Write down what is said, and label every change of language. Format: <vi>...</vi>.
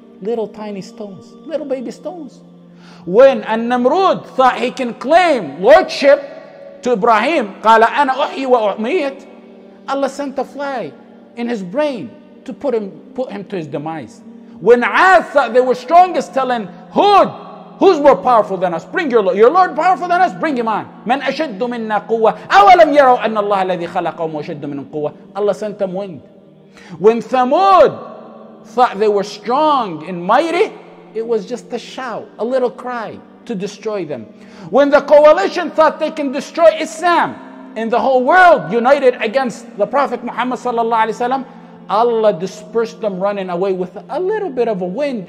<en>Little tiny stones, little baby stones. When An-Namrud thought he can claim lordship to Ibrahim,</en> <ar>قَالَ أَنَا أُحْيِي وَأُمِيتُ,</ar> <en>Allah sent a fly in his brain to put him to his demise. When Ad thought they were strongest, telling Hud, who's more powerful than us? Bring your Lord powerful than us? Bring him on.</en> <ar>مَنْ أَشَدُّ مِنَّا قُوَّةً أَوَلَمْ يَرَوْا أَنَّ اللَّهَ الَّذِي خَلَقَهُمْ وَشَدُّ مِنْ قُوَّةً,</ar> <en>Allah sent them wind. When Thamud thought they were strong and mighty, it was just a shout, a little cry to destroy them. When the coalition thought they can destroy Islam and the whole world united against the Prophet Muhammad sallallahu alaihi wasallam, Allah dispersed them running away with a little bit of a wind.</en>